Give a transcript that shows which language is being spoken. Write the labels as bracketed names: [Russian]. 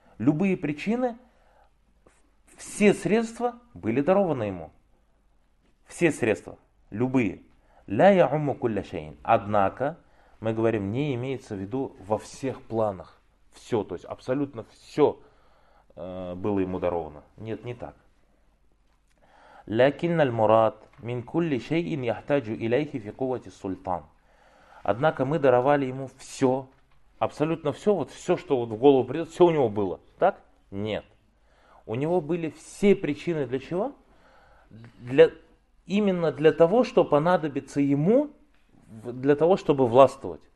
[Russian] Любые причины, все средства были дарованы ему. Все средства, любые. [Arabic] Ля я умму кулли шейин. [Russian] Однако, мы говорим, не имеется в виду во всех планах. Все, то есть абсолютно все, было ему даровано. Нет, не так. [Arabic] لكن المراد من كل شيء يحتاج إليه في قوة السلطان. [Russian] Однако мы даровали ему все, абсолютно все, вот все, что вот в голову придет, все у него было. Так? Нет. У него были все причины для чего? Для, именно для того, что понадобится ему, для того, чтобы властвовать.